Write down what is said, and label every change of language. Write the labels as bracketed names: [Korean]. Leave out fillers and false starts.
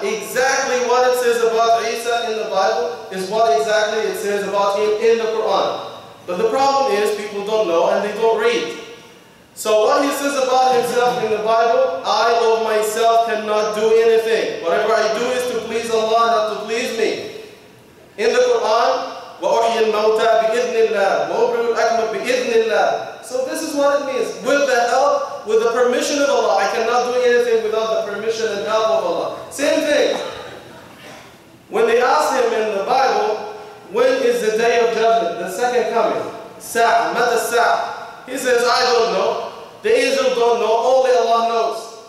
[English] Exactly what it says about Isa in the Bible is what exactly it says about him in the Quran. But the problem is, people don't know and they don't read. So what he says about himself in the Bible, I of myself cannot do anything. Whatever I do is to please Allah, not to please me. In the Quran, [Arabic] وَأُحْيِي الْمَوْتَى بِإِذْنِ اللَّهِ وَأُبْرِئُ الْأَكْمَ بِإِذْنِ اللَّهِ. [English] So this is what it means. With the help, with the permission of Allah, I cannot do anything without the permission and help of Allah. Same thing. When they ask him in the Bible, when is the day of judgment, the second coming? [Arabic] Sa'a, mata sa'a. [English] He says, I don't know. The angel don't know. Only Allah knows.